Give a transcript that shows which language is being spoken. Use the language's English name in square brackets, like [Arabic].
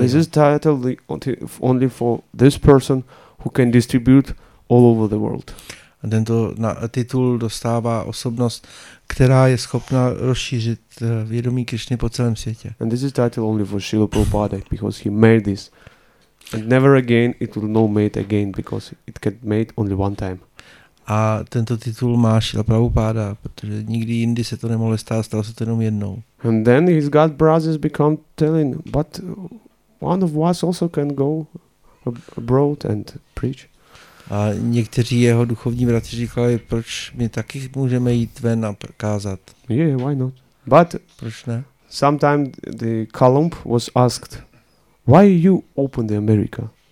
[English] This is title only for this person who can distribute all over the world. [Czech] A tento titul dostává osobnost, která je schopna rozšířit vědomí Krišny po celém světě. [English] And this is title only for Srila Prabhupada, because he made this. And never again it will not made again, because it can made only one time. [Czech] A tento titul má Srila Prabhupada, protože nikdy jindy se to nemohlo stát, stalo se to jenom jednou. [English] And then his god brothers become telling, but one of us also can go abroad and preach. [Czech] A někteří jeho duchovní bratři říkali, proč my taky můžeme jít ven a kázat. [English] Yeah, why not? But [Czech] proč ne? [English] Sometime the Columb was asked, why you open the America?